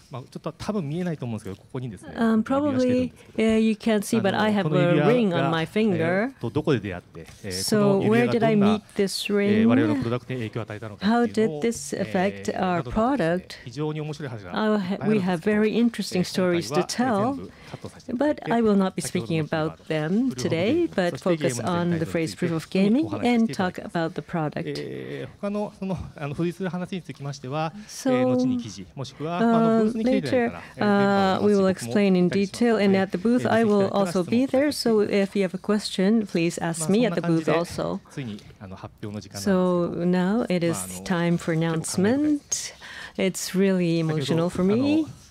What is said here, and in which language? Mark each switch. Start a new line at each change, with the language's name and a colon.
Japanese: ちょっと多分見えないと思うんですけど、ここにですね、
English: probably you can't see, but I have a ring on my finger.
Japanese: どこで出会って、
English: so where did I meet this ring?
Japanese: 我々のプロダクトに影響を与えたのか、
English: how did this affect our product?
Japanese: 非常に面白い話が、
English: we have very interesting stories to tell, but I will not be speaking about them today, but focus on the phrase proof of gaming and talk about the product.
Japanese: 他のその付随する話につきましては、後に記事もしくは
English: Later, we will explain in detail, and at the booth, I will also be there. So, if you have a question, please ask me at the booth also. So, now it is time for announcement. It's really emotional for me.